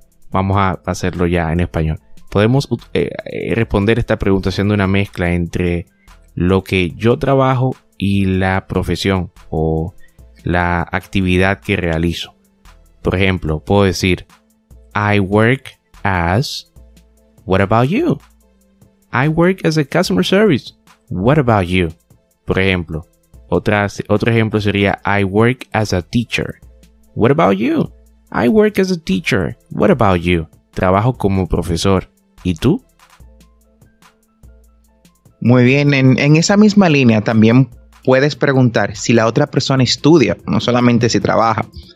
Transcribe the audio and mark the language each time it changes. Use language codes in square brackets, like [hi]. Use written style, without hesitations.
[es] Vamos a hacerlo ya en español. Podemos responder esta pregunta haciendo una mezcla entre lo que yo trabajo y la profesión o la actividad que realizo. Por ejemplo, puedo decir [en] I work as. What about you? I work as a customer service. What about you? [es] Por ejemplo, otro ejemplo sería [en] I work as a teacher. What about you? I work as a teacher. What about you? [es] Trabajo como profesor. ¿Y tú? Muy bien, en esa misma línea también puedes preguntar si la otra persona estudia, no solamente si trabaja.